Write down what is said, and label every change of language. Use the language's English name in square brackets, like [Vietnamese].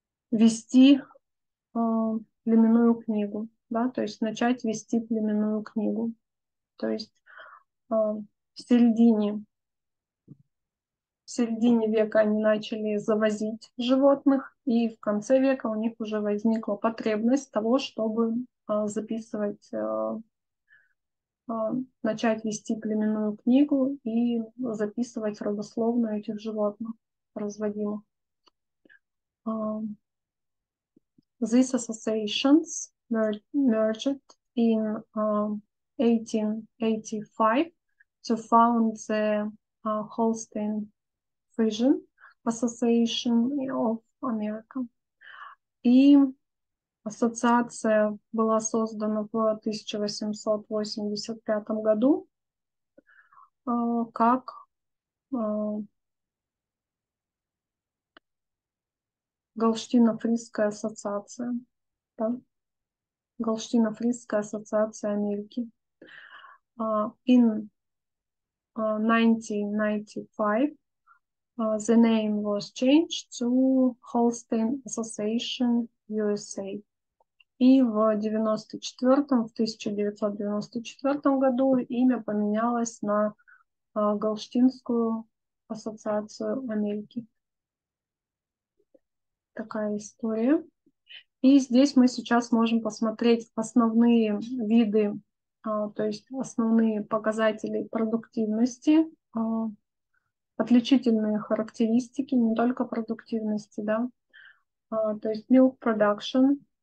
[Russian] вести племенную книгу, да, то есть начать вести племенную книгу, то есть в середине века они начали завозить животных, и в конце века у них уже возникла потребность того, чтобы начать вести племенную книгу и записывать родословную этих животных, разводимых. [English] These associations merged in 1885 to found the Holstein Friesian Association of America. [Russian] И ассоциация была создана в 1885 году как Голштино-Фрисская ассоциация, да? Голштино-Фрисская ассоциация Америки. [English] In 1995, the name was changed to Holstein Association USA. [Russian] И в 94-м, в 1994 году имя поменялось на Голштинскую ассоциацию Америки. Такая история. И здесь мы сейчас можем посмотреть основные виды, то есть основные показатели продуктивности, отличительные характеристики, не только продуктивности, да, то есть [English] milk production.